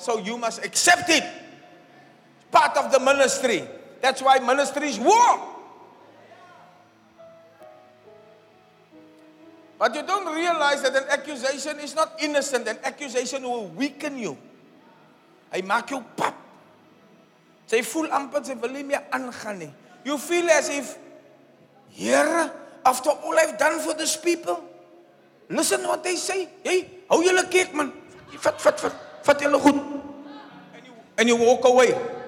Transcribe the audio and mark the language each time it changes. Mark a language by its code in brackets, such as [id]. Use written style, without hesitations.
[en] So you must accept it. It's part of the ministry. That's why ministry is war. But you don't realize that an accusation is not innocent. An accusation will weaken you. [af] Hy maak jou pap. Sy voel amper, sy wil nie meer aangaan nie. [en] You feel as if, Here, after all I've done for this people, listen what they say. [af] Hey, hou julle kek man. Vat julle goed. [en] And you walk away.